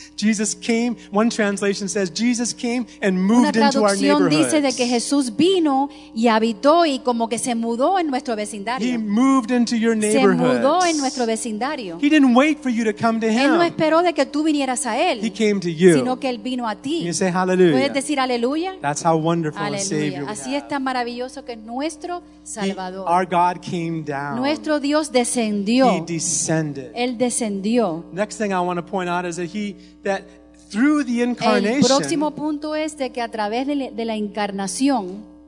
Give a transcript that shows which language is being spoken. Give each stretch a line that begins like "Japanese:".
English: Jesus came, one translation says, Jesus came and moved into our neighborhood.
Spanish: Una traducción dice de que Jesús vino y habitó y como que se mudó en nuestro vecindario.
English: He moved into your neighborhood.
Spanish: Se mudó en nuestro vecindario.
English: He didn't wait for you to come to him.
Spanish: Él no esperó de que tú vinieras a él.
English: He came to you.
Spanish: Sino que él vino a ti.
English: Can you say hallelujah?
Spanish: ¿Puedes decir aleluya?
English: That's how wonderful
Spanish: aleluya.
English: A Savior we
Spanish: Así
English: have.
Spanish: Es tan maravilloso que nuestro Salvador.
English: Our God came down.
Spanish: Nuestro Dios descendió.
English: He descended.
Spanish: Él descendió.
English: Next thing I want to point out is that through the incarnation.
Spanish: El próximo punto es de que a través de la encarnación.